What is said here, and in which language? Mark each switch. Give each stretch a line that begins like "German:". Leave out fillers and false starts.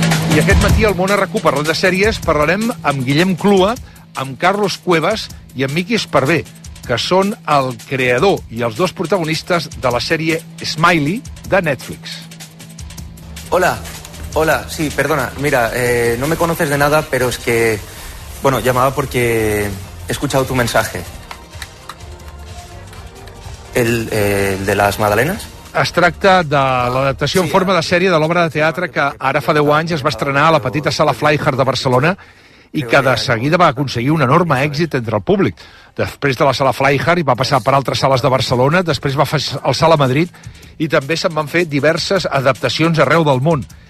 Catalan: I aquest matí al Món RQ, parlant de sèries, parlarem amb Guillem Clua, amb Carlos Cuevas i amb Miqui Esparvé, que són el creador i els dos protagonistes de la sèrie Smiley de Netflix.
Spanish: Hola, hola, sí, perdona, mira, no me conoces de nada, pero es que, bueno, llamaba porque he escuchado tu mensaje. El de las magdalenas.
Catalan: Es tracta de l'adaptació en forma de sèrie de l'obra de teatre que ara fa 10 anys es va estrenar a la petita sala Flyhard de Barcelona i que de seguida va aconseguir un enorme èxit entre el públic. Després de la sala Flyhard va passar per altres sales de Barcelona, després va fer el Sala Madrid i també se'n van fer diverses adaptacions arreu del món.